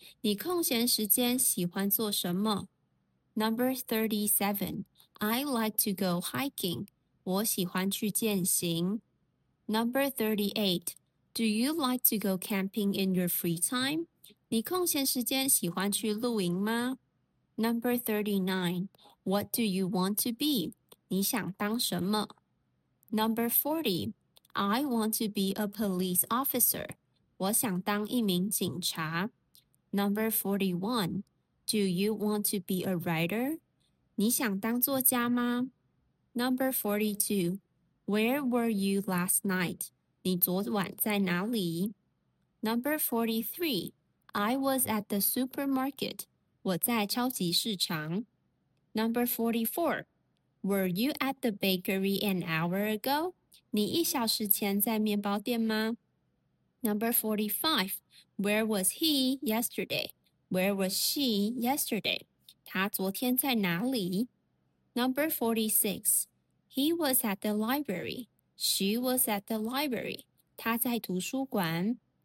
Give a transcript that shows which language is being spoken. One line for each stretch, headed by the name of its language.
Chinese: 你空闲时间喜欢做什么?
English: Number 37, I like to go hiking,
Chinese: 我喜欢去健行。
English: Number 38, do you like to go camping in your free time?
Chinese: 你空闲时间喜欢去露营吗?
English: Number 39, what do you want to be?
Chinese: 你想当什么?
English: Number 40, I want to be a police officer.
Chinese: 我想当一名警察。
English: Number 41, do you want to be a writer?
Chinese: 你想当作家吗?
English: Number 42, where were you last night?
Chinese: 你昨晚在哪里?
English: Number 43, I was at the supermarket.
Chinese: 我在超级市场。
English: Number 44, were you at the bakery an hour ago?
Chinese: 你一小时前在面包店吗?
English: Number 45, where was he yesterday? Where was she yesterday?
Chinese: 他昨天在哪里?
English: Number 46, he was at the library. She was at the library.
Chinese: 他在图书馆。